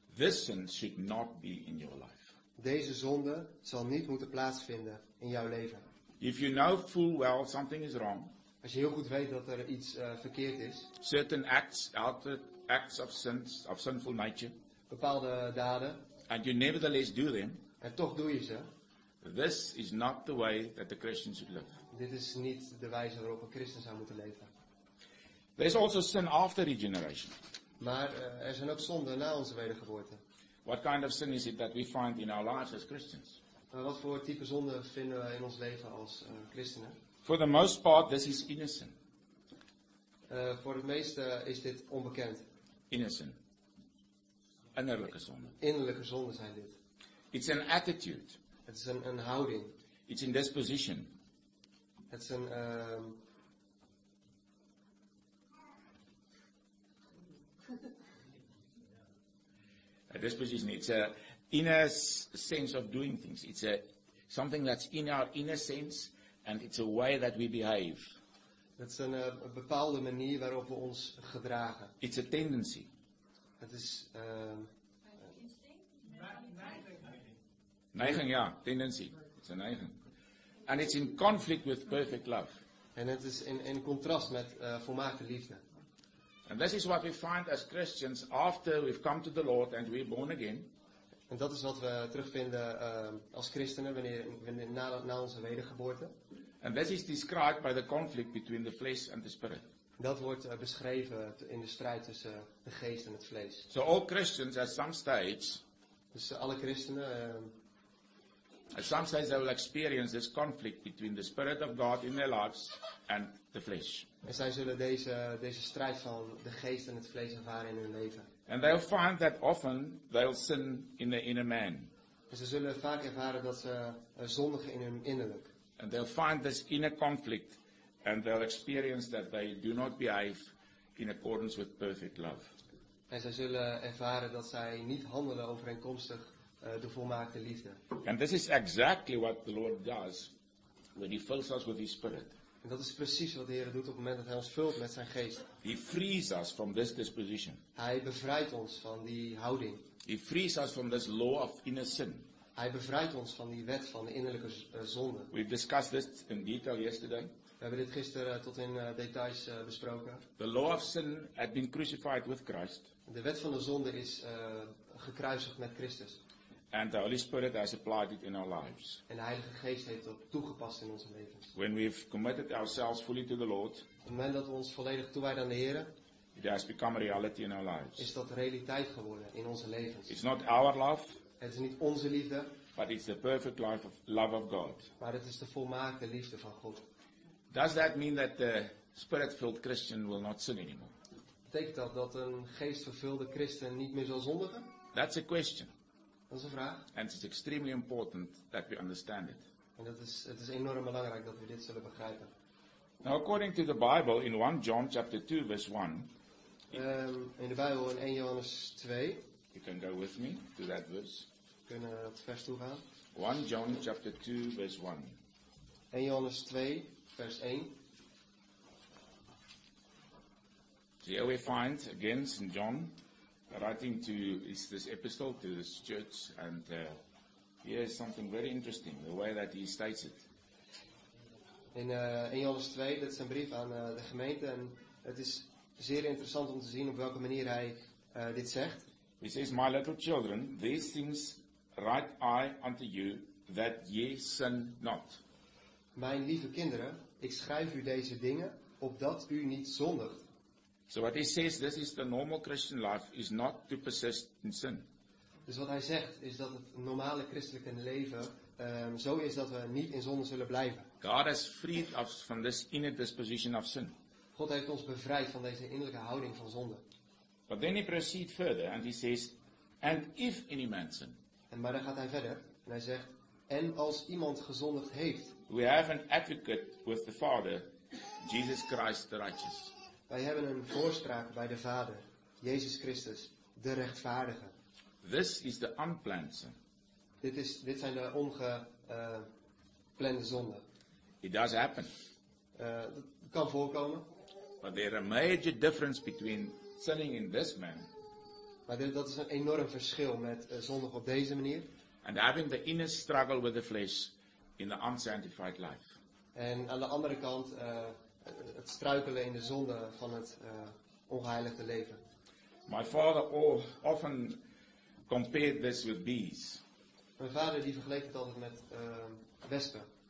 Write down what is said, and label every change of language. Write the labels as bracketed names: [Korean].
[English] this sin should not be in your life. [Dutch] Deze zonde zal niet moeten plaatsvinden in jouw leven. [English] If you know full well something is wrong, [Dutch] als je heel goed weet dat er iets verkeerd is, [English] certain acts, outward acts of sins, of sinful nature, [Dutch] bepaalde daden, [English] and you nevertheless do them. [Dutch] En toch doe je ze. [English] This is not the way that the Christian should live. [Dutch] Dit is niet de wijze waarop een christen zou moeten leven. [English] There is also sin after regeneration. [Dutch] Maar er zijn ook zonden na onze wedergeboorte. [English] What kind of sin is it that we find in our lives as Christians? [Dutch] Wat voor type zonde vinden we in ons leven als christenen? [English] For the most part, this is innocent. [Dutch] Voor het meeste is dit onbekend. Innocent. Innerlijke zonde. Innerlijke zonden zijn dit. [English] It's an attitude. [Dutch] Het is een houding. [English] It's in disposition. [Dutch] Het is een [English] a disposition. It's an inner sense of doing things. It's a something that's in our inner sense, and it's a way that we behave. [Dutch] Het is een bepaalde manier waarop we ons gedragen. [English] It's a tendency. [Dutch] Het is neiging, ja, [English] tendency. It's a [Dutch] neiging. [English] And it's in conflict with perfect love. [Dutch] En het is in contrast met volmaakte liefde. [English] And this is what we find as Christians after we've come to the Lord and we're born again. [Dutch] En dat is wat we terugvinden als christenen wanneer na onze wedergeboorte. [English] And this is described by the conflict between the flesh and the spirit. [Dutch] Dat wordt beschreven in de strijd tussen de geest en het vlees. [English] So all Christians at some stage. [Dutch] Dus alle christenen. [English] At some stage they will experience this conflict between the spirit of God in their lives and the flesh. [Dutch] En zij zullen deze strijd van de geest en het vlees ervaren in hun leven. [English] And they'll find that often they'll sin in their inner man. [Dutch] En ze zullen vaak ervaren dat ze zondigen in hun innerlijk. [English] And they'll find this inner conflict and they'll experience that they do not behave in accordance with perfect love. [Dutch] En zij zullen ervaren dat zij niet handelen overeenkomstig de volmaakte liefde. [English] And this is exactly what the Lord does when he fills us with his spirit. [Dutch] En dat is precies wat de Heer doet op het moment dat hij ons vult met zijn geest. [English] He frees us from this disposition. [Dutch] Hij bevrijdt ons van die houding. [English] He frees us from this law of inner sin. [Dutch] Hij bevrijdt ons van die wet van de innerlijke zonde. [English] We've discussed this in detail yesterday. [Dutch] We hebben dit gisteren tot in details besproken. [English] The law of sin had been crucified with Christ. [Dutch] De wet van de zonde is gekruisigd met Christus. [English] And the Holy Spirit has applied it in our lives. [Dutch] En de Heilige Geest heeft dat toegepast in onze levens. [English] When we've committed ourselves fully to the Lord. [Dutch] Op het moment dat we ons volledig toewijden aan de Heer. [English] It has become a reality in our lives. [Dutch] Is dat realiteit geworden in onze levens. [English] It's not our love. [Dutch] Het is niet onze liefde. [English] But it's the perfect life of love of God. [Dutch] Maar het is de volmaakte liefde van God. [English] Does that mean that the spirit-filled Christian will not sin anymore? [Dutch] Betekent dat een geestvervulde christen niet meer zal zondigen? [English] That's a question. [Dutch] Dat is een vraag. [English] And it's extremely important that we understand it. [Dutch] En het is enorm belangrijk dat we dit zullen begrijpen. [English] Now according to the Bible in 1 John chapter 2 verse 1. [Dutch] In de Bijbel in 1 Johannes 2. [English] You can go with me to that verse. [Dutch] Kunnen we dat vers toe gaan? [English] 1 John chapter 2 verse 1. [Dutch] 1 Johannes 2 vers 1. [English] Here we find again St. John writing to is this epistle to this church, and here is something very interesting, the way that he states it. [Dutch] In Johannes 2, dat is een brief aan de gemeente, en het is zeer interessant om te zien op welke manier hij dit zegt. [English] He says, my little children, these things write I unto you, that ye sin not. [Dutch] Mijn lieve kinderen, ik schrijf u deze dingen, opdat u niet zondigt. [English] So what he says, this is the normal Christian life, is not to persist in sin. [Dutch] Dus wat hij zegt, is dat het normale christelijke leven zo is dat we niet in zonde zullen blijven. [English] God has freed us from this inner disposition of sin. [Dutch] God heeft ons bevrijd van deze innerlijke houding van zonde. [English] But then he proceeds further and he says, and if any man sin. [Dutch] En maar dan gaat hij verder en hij zegt, en als iemand gezondigd heeft. [English] We have an advocate with the Father, Jesus Christ the righteous. [Dutch] Wij hebben een voorspraak bij de Vader, Jezus Christus, de rechtvaardige. [English] This is the unplanned sin. [Dutch] Dit zijn de ongeplande zonden. [English] It does happen. [Dutch] Dat kan voorkomen. [English] But there is a major difference between sinning in this man. [Dutch] Maar dat is een enorm verschil met zondig op deze manier. [English] And having the inner struggle with the flesh in the unsanctified life. [Dutch] En aan de andere kant. Het struikelen in de zonde van het ongeheiligde leven. [English] My father often compared this with bees. [Dutch] Mijn vader die vergeleek het altijd met wespen.